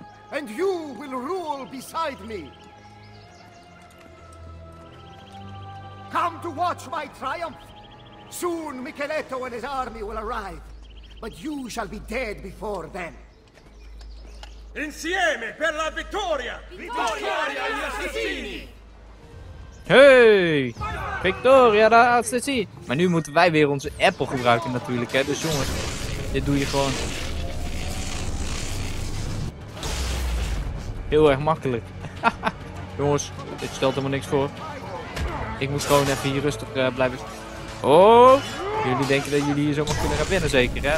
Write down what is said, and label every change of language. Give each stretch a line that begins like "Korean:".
English: And you will rule beside me. Come to watch my triumph. Soon Micheletto and his army will arrive. But you shall be dead before then.
Italian: Insieme per la vittoria! Vittoria agli assassini! Hey! Victoria da assassini!
Dutch: Maar nu moeten wij weer onze Apple gebruiken natuurlijk, hè. Dus jongens, dit doe je gewoon. Heel erg makkelijk. Jongens, dit stelt helemaal niks voor. Ik moet gewoon even hier rustig blijven. Oh! Jullie denken dat jullie hier zomaar kunnen gaan winnen zeker, hè?